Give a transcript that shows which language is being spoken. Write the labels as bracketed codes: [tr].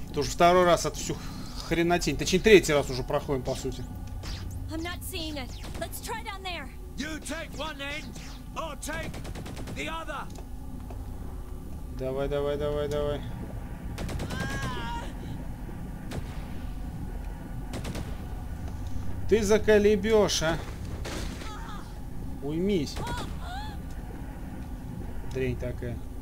[ru] Ты уже второй раз от всю хренотень. Точнее, третий раз уже проходим, по сути. [en] I'm not seeing it. Let's try down there. You take one end, I'll take the other. [ru] Давай, давай, давай, давай. Ты заколебешь, а? Уймись. Дрень такая.